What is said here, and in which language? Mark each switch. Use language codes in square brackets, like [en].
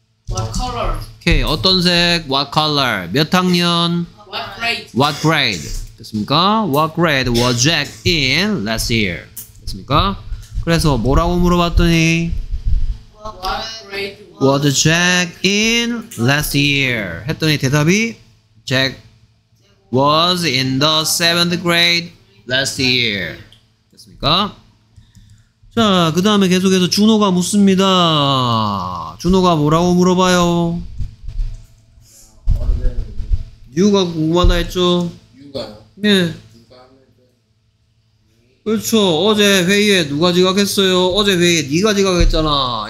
[en] What color? [ko] 오케이 어떤 색? [en] What color? [ko] 몇 학년? [en] What grade? What grade? [ko] 됐습니까? [en] What grade was Jack in last year? 됐습니까? [ko] 그래서 뭐라고 물어봤더니 [en] What grade? Was Jack in last year? [ko] 했더니 대답이 [en] Jack was in the 7th grade last year. [ko] 됐습니까? 자, 그 다음에 계속해서 준호가 묻습니다. 준호가 뭐라고 물어봐요? 이유가 궁금하다 했죠? 이유가요? 예. 그렇죠. 어제 회의에 누가 지각했어요? 어제 회의에 네가 지각했잖아.